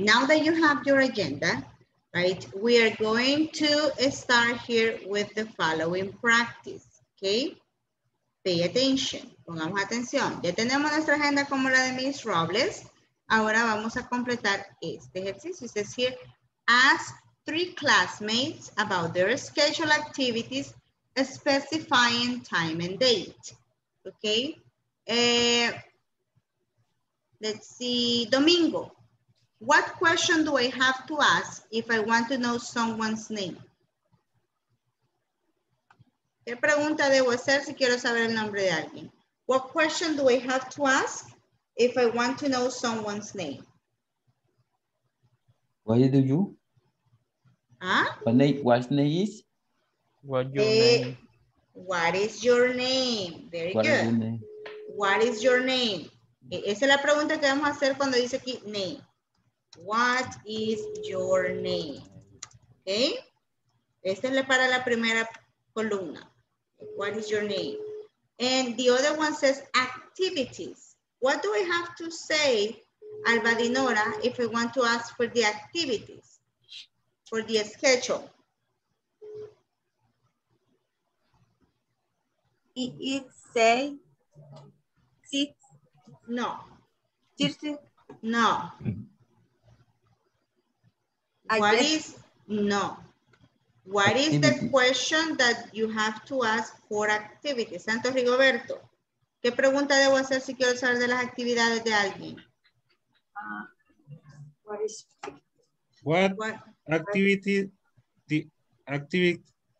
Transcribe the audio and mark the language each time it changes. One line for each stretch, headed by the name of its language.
English: Now that you have your agenda, right, we are going to start here with the following practice, okay? Pay attention,
Spanish: pongamos atención. Ya tenemos nuestra agenda como la de Miss Robles. Ahora vamos a completar este ejercicio.
English: It says here, ask three classmates about their scheduled activities, specifying time and date, okay? Let's see, Domingo, what question do I have to ask if I want to know someone's name?
Spanish: ¿Qué pregunta debo hacer si quiero saber el nombre de alguien?
English: What question do I have to ask if I want to know someone's name? What do you? Huh? What name is? What your name? What is your name? Very what good. What is your name?
Spanish: Esa es la pregunta que vamos a hacer cuando dice aquí name.
English: What is your name? Ok.
Spanish: Esta es para la primera columna.
English: What is your name? And the other one says activities. What do I have to say, Alba Dinora, if I want to ask for the activities? For the schedule. It say six. No. No. What is no? What is the question that you have to ask for activities?
Spanish: Santos Rigoberto, ¿qué pregunta debo hacer si quiero saber de las actividades de alguien?